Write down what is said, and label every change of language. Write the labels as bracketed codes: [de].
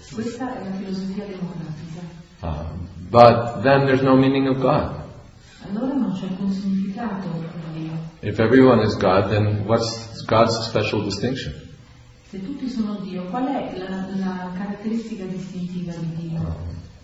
[it] Questa è la filosofia democratica. [en] But then there's no meaning of God. [it] Allora non c'è alcun significato per Dio. [en] If everyone is God, then what's God's special distinction? [it] Se tutti sono Dio, qual è la caratteristica distintiva di Dio?